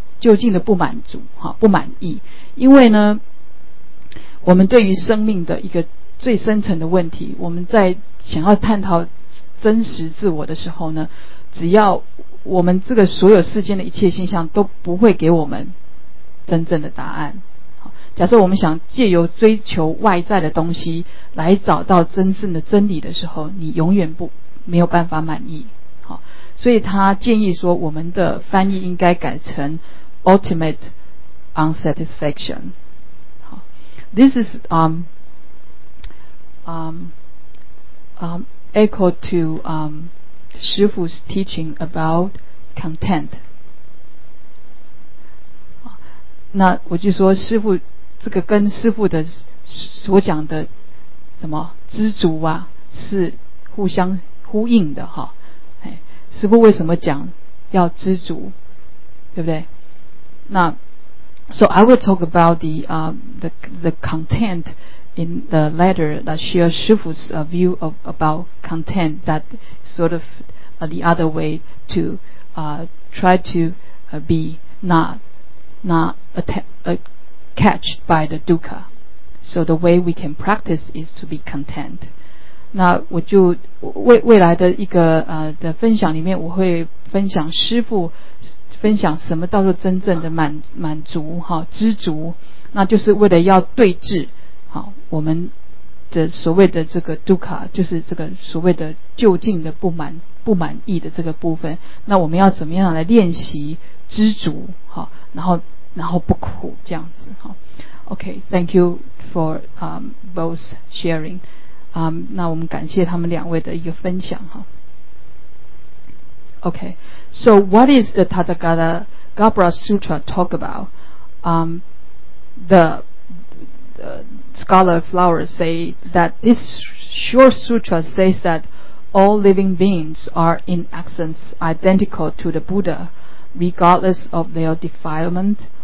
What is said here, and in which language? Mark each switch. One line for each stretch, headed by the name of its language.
Chinese: 究竟的不满足，不满意，因为呢，我们对于生命的一个最深层的问题，我们在想要探讨真实自我的时候呢，只要我们这个所有世间的一切现象都不会给我们真正的答案。假设我们想借由追求外在的东西来找到真正的真理的时候，你永远不没有办法满意。所以他建议说，我们的翻译应该改成。
English: Ultimate unsatisfaction. This is echo to Shifu's teaching about content.
Chinese: 那我就说师父这个跟师父的所讲的什么知足啊是互相呼应的哈。师父为什么讲要知足，对不对？
English: 那 so I will talk about the content in the letter that shares Shifu's view of about content that sort of the other way to try to be not catched by the dukkha. So the way we can practice is to be content.
Chinese: 那我就未来的一个的分享里面，我会分享师父分享什么叫做真正的满足哈，知足，那就是为了要对治好我们的所谓的这个 dukkha， 就是这个所谓的究竟的不满意的这个部分。那我们要怎么样来练习知足好，然后不苦这样子好。
English: OK，thank you for both sharing。
Chinese: 那我们感谢他们两位的一个分享哈。
English: OK，so what is the Tathagata Gabbra Sutra talk about？ The scholar Flowers say that this short sutra says that all living beings are in essence identical to the Buddha, regardless of their defilement.